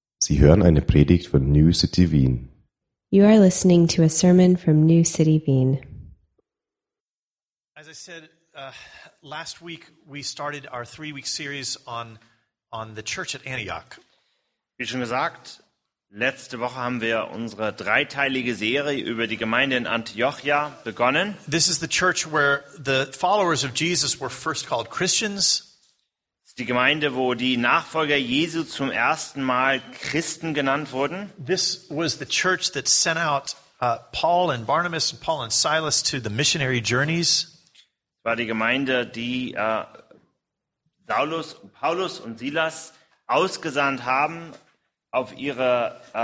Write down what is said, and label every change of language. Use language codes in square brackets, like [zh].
[de] Sie hören eine Predigt von New City Wien. [en] You are listening to a sermon from New City Wien. As I said, last week we started our 3-week series on the church at Antioch. [de] Wie schon gesagt, letzte Woche haben wir unsere dreiteilige Serie über die Gemeinde in Antiochia begonnen. [en] This is the church where the followers of Jesus were first called Christians. [de] Die Gemeinde, wo die Nachfolger Jesu zum ersten Mal Christen genannt wurden. [en] This was the church that sent out Paul and Barnabas and Paul and Silas to the missionary journeys. [de] Es war die Gemeinde, die Paulus und Silas ausgesandt haben auf ihre